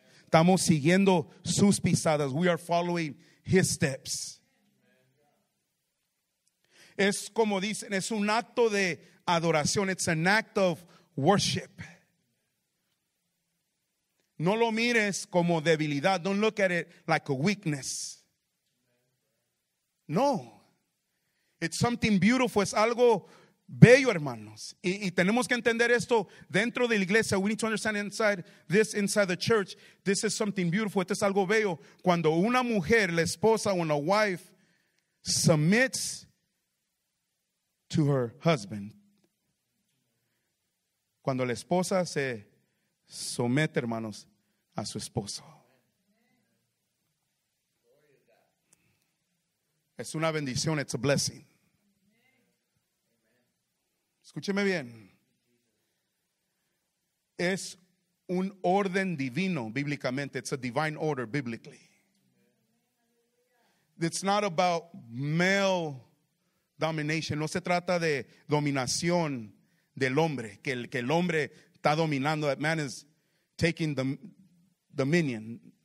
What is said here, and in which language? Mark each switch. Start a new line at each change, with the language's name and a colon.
Spanish: Estamos siguiendo sus pisadas.
English: We are following his steps.
Spanish: Es como dicen, es un acto de adoración.
English: It's an act of worship.
Spanish: No lo mires como debilidad.
English: Don't look at it like a weakness. No. It's something beautiful.
Spanish: Es algo bello, hermanos. Y tenemos que entender esto dentro de la iglesia.
English: We need to understand inside this, inside the church. This is something beautiful.
Spanish: Esto es algo bello. Cuando una mujer, la esposa,
English: when a wife submits to her husband.
Spanish: Cuando la esposa se somete, hermanos, a su esposo. Es una bendición.
English: It's a blessing.
Spanish: Escúcheme bien. Es un orden divino, bíblicamente.
English: It's a divine order, biblically. It's not about male domination.
Spanish: No se trata de dominación del hombre, que el hombre está dominando.
English: That man is taking the dominion.